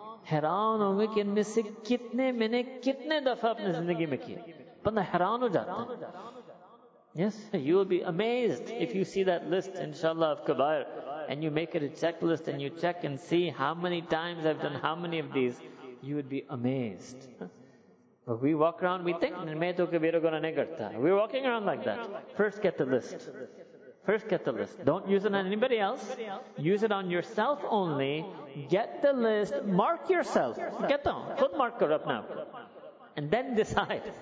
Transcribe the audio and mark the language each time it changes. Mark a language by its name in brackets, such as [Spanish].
[Urdu] حیران ہوں گے کہ ان میں سے کتنے میں نے کتنے دفعہ اپنی زندگی میں کیا. بندہ حیران ہو جاتا ہے. [English] Yes, you will be amazed if you see that list, inshallah, of kabair, and you make it a checklist and you check and see how many times I've done how many of these, you would be amazed. But we walk around, we think, [Urdu] میں تو کبیرہ گناہ نہیں کرتا. [English] We're walking around like that. First get the list. First get the list. Don't use it on anybody else. Use it on yourself only. Get the list. Mark yourself. Get down. [Urdu] Khud mark kar apna. [English] And then decide.